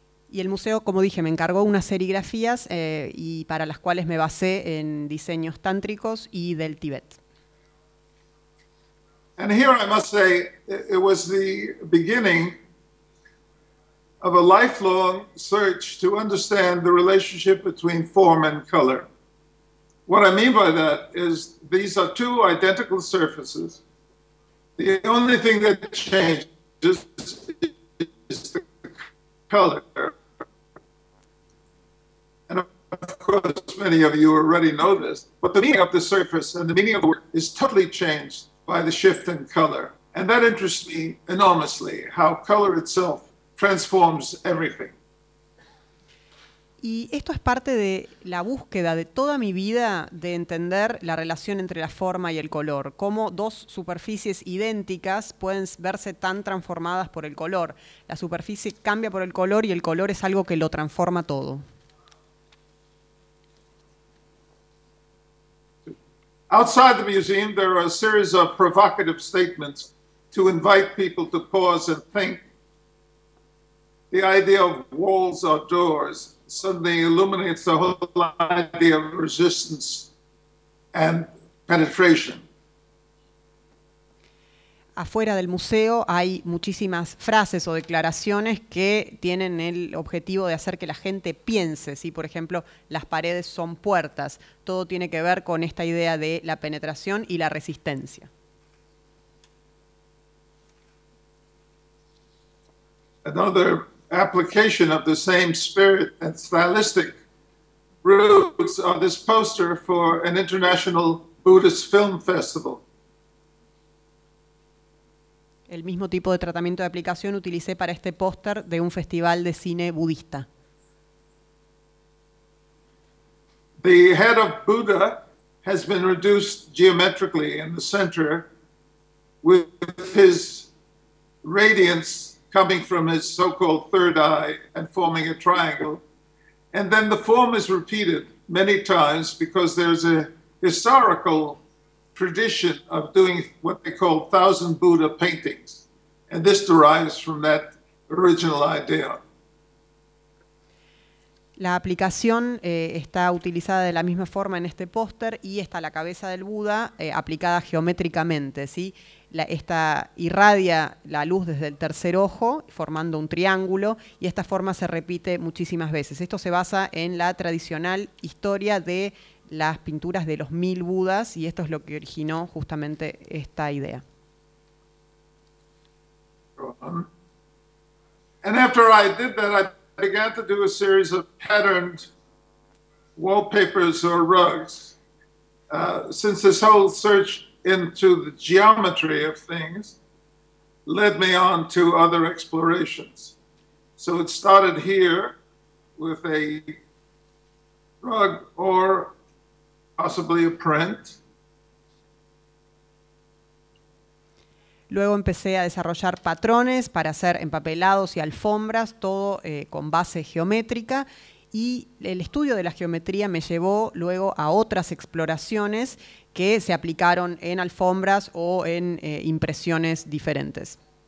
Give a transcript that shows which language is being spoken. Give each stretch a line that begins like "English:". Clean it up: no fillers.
Spanish: Y el museo, como dije, me encargó unas serigrafías y para las cuales me basé en diseños tántricos y del Tíbet.
English: And here I must say it was the beginning of a lifelong search to understand the relationship between form and color. What I mean by that is these are two identical surfaces. The only thing that changes is the color. And of course, many of you already know this, but the meaning of the surface and the meaning of the word is totally changed by the shift in color. And that interests me enormously, how color itself transforms everything.
Spanish: Y esto es parte de la búsqueda de toda mi vida de entender la relación entre la forma y el color. Cómo dos superficies idénticas pueden verse tan transformadas por el color. La superficie cambia por el color y el color es algo que lo transforma todo.
English: Outside the museum, there are a series of provocative statements to invite people to pause and think. The idea of walls or doors suddenly illuminates the whole idea of resistance and penetration.
Spanish: Afuera del museo hay muchísimas frases o declaraciones que tienen el objetivo de hacer que la gente piense. Si, por ejemplo, las paredes son puertas, todo tiene que ver con esta idea de la penetración y la resistencia.
English: Another application of the same spirit and stylistic roots are this poster for an international Buddhist film festival.
Spanish: El mismo tipo de tratamiento de aplicación utilicé para este póster de un festival de cine budista.
English: The head of Buddha has been reduced geometrically in the center with his radiance coming from his so-called third eye and forming a triangle. And then the form is repeated many times because there's a historical tradition of doing what they call thousand Buddha paintings. And this derives from that original idea.
Spanish: La aplicación está utilizada de la misma forma en este póster y está la cabeza del Buda aplicada geométricamente, ¿sí? Esta irradia la luz desde el tercer ojo formando un triángulo y esta forma se repite muchísimas veces. Esto se basa en la tradicional historia de las pinturas de los mil Budas y esto es lo que originó justamente esta idea.
English: And after I did that, I began to do a series of patterned wallpapers or rugs. Since this whole search into the geometry of things led me on to other explorations. So it started here with a rug or possibly a print.
Spanish: Luego empecé a desarrollar patrones para hacer empapelados y alfombras, todo con base geométrica. Y el estudio de la geometría me llevó luego a otras exploraciones que se aplicaron en alfombras o en impresiones diferentes.